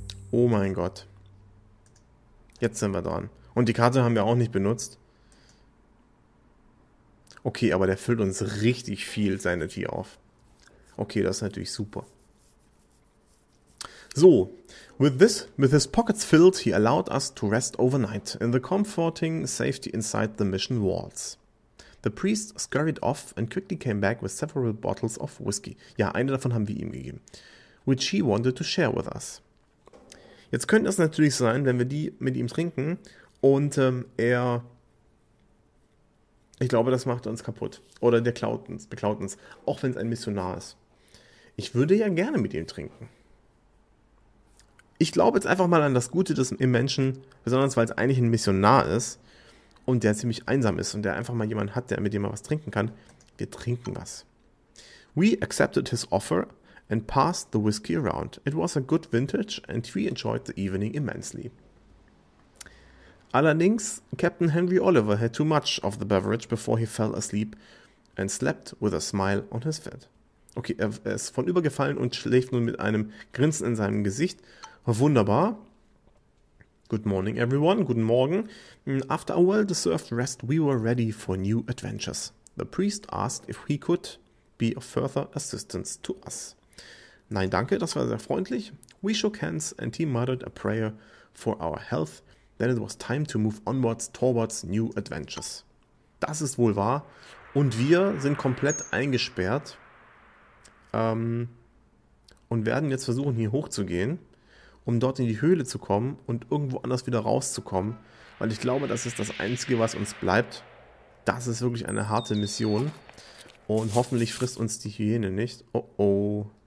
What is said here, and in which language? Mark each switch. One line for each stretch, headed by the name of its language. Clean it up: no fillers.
German: Oh mein Gott. Jetzt sind wir dran. Und die Karte haben wir auch nicht benutzt. Okay, aber der füllt uns richtig viel Sanity auf. Okay, das ist natürlich super.
English: So, with his pockets filled, he allowed us to rest overnight in the comforting safety inside the mission walls. The priest scurried off and quickly came back with several bottles of whiskey.
German: Ja, eine davon haben wir ihm gegeben.
English: Which he wanted to share with us.
German: Jetzt könnte es natürlich sein, wenn wir die mit ihm trinken und er... Ich glaube, das macht uns kaputt. Oder der klaut uns, beklaut uns. Auch wenn es ein Missionar ist. Ich würde ja gerne mit ihm trinken. Ich glaube jetzt einfach mal an das Gute des im Menschen, besonders weil es eigentlich ein Missionar ist und der ziemlich einsam ist und der einfach mal jemanden hat, der mit dem er was trinken kann. Wir trinken was.
English: We accepted his offer and passed the whiskey around. It was a good vintage and we enjoyed the evening immensely. Allerdings, Captain Henry Oliver had too much of the beverage before he fell asleep and slept with a smile on his face.
German: Okay, er ist vornübergefallen und schläft nun mit einem Grinsen in seinem Gesicht. Wunderbar.
English: Good morning, everyone.
German: Guten Morgen.
English: After a well-deserved rest, we were ready for new adventures. The priest asked if he could be of further assistance to us.
German: Nein, danke, das war sehr freundlich.
English: We shook hands and he muttered a prayer for our health. Then it was time to move onwards towards new adventures.
German: Das ist wohl wahr. Und wir sind komplett eingesperrt. Und werden jetzt versuchen, hier hochzugehen, um dort in die Höhle zu kommen und irgendwo anders wieder rauszukommen. Weil ich glaube, das ist das Einzige, was uns bleibt. Das ist wirklich eine harte Mission. Und hoffentlich frisst uns die Hyäne nicht. Oh oh.